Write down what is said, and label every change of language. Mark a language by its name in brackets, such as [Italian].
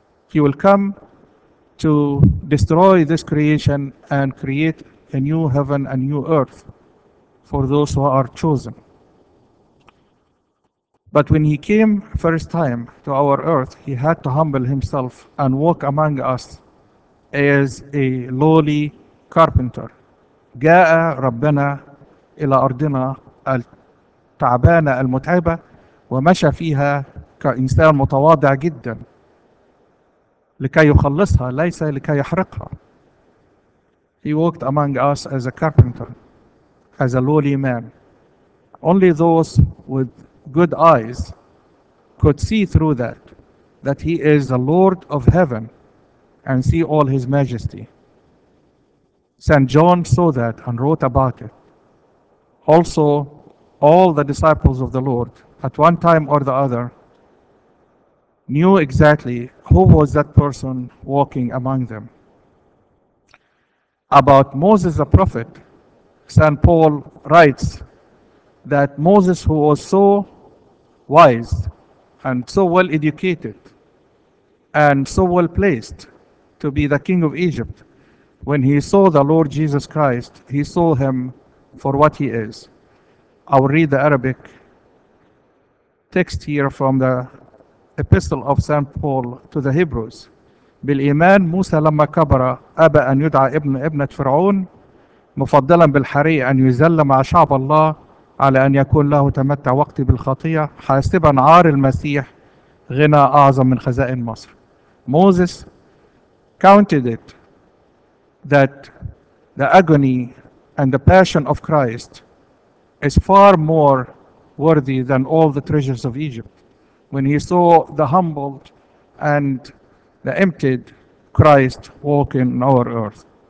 [English] He will come to destroy this creation and create a new heaven and new earth for those who are chosen. But when he came first time to our earth, he had to humble himself and walk among us as a lowly carpenter. [Arabic] جاء ربنا إلى أرضنا التعبانة المتعبة ومشى فيها كإنسان متواضع جدا لكي يخلصها ليس لكي يحرقها. [English] He walked among us as a carpenter, as a lowly man. Only those with good eyes could see through that he is the Lord of heaven and see all his majesty. Saint John saw that and wrote about it. Also, all the disciples of the Lord at one time or the other knew exactly who was that person walking among them. About Moses the prophet, St. Paul writes that Moses, who was so wise and so well educated and so well placed to be the king of Egypt, when he saw the Lord Jesus Christ, he saw him for what he is. I will read the Arabic text here from the epistle of St. Paul to the Hebrews. [Arabic] بالإيمان موسى لما كبر أبى أن يدعى ابن ابنة فرعون مفضلا بالحري أن يزل مع شعب الله على أن يكون له تمتع وقتي بالخطية حاسبا عار المسيح غنى أعظم من خزائن مصر. [English] Moses counted it that the agony and the passion of Christ is far more worthy than all the treasures of Egypt. When he saw the humbled and the emptied Christ walking on our earth.